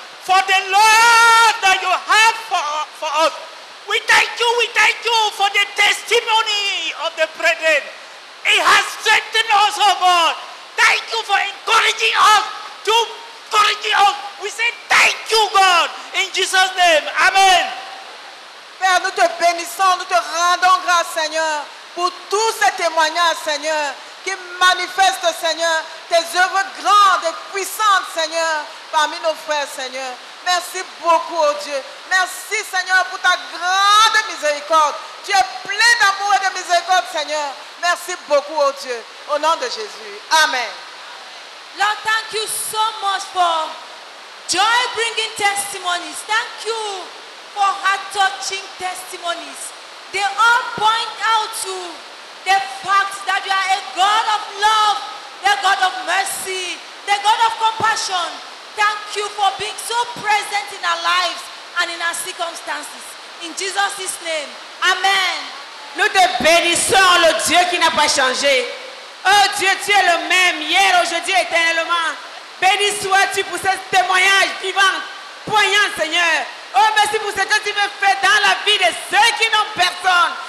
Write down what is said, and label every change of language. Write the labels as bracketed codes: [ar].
[en] for the love that you have for us. We thank you for the testimony of the brethren. It has strengthened us, oh God. Thank you for encouraging us to encourage us. We say thank you, God, in Jesus' name. Amen. [fr] Père, nous te bénissons, nous te rendons grâce, Seigneur, pour tous ces témoignages, Seigneur, qui manifestent, Seigneur, tes œuvres grandes et puissantes, Seigneur, parmi nos frères, Seigneur. Merci beaucoup, oh Dieu. Merci, Seigneur, pour ta grande miséricorde. Tu es plein d'amour et de miséricorde, Seigneur. Merci beaucoup, oh Dieu. Au nom de Jésus. Amen. [en] Lord, thank you so much for joy bringing testimonies. Thank you for heart-touching testimonies. They all point out to the fact that you are a God of love, the God of mercy, the God of compassion. Thank you for being so present in our lives and in our circumstances. In Jesus' name, amen. [fr] Nous te bénissons, le Dieu qui n'a pas changé. Oh Dieu, tu es le même hier, aujourd'hui, éternellement. Béni sois-tu pour ce témoignage vivant, poignant, Seigneur. Oh, merci pour ce que tu veux faire dans la vie de ceux qui n'ont personne.